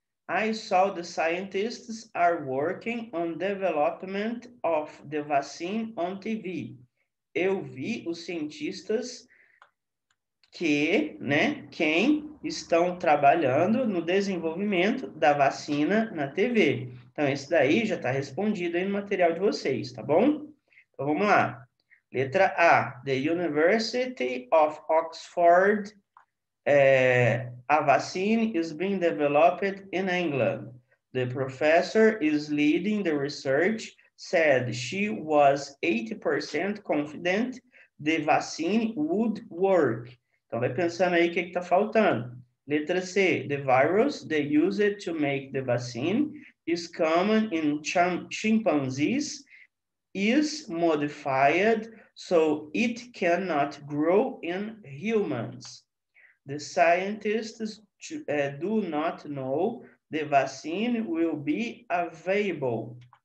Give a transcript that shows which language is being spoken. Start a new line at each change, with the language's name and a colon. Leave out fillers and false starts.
English: I saw the scientists are working on development of the vaccine on TV.
Portuguese: Eu vi os cientistas que, né, quem estão trabalhando no desenvolvimento da vacina na TV. Então, esse daí já está respondido aí no material de vocês, tá bom? Então, vamos lá. Letra A,
English: the University of Oxford, a vaccine is being developed in England. The professor is leading the research, said she was 80% confident the vaccine would work.
Portuguese: Então, vai pensando aí o que está faltando. Letra C,
English: the virus they used to make the vaccine is common in chimpanzees, is modified so it cannot grow in humans. The scientists do not know the vaccine will be available.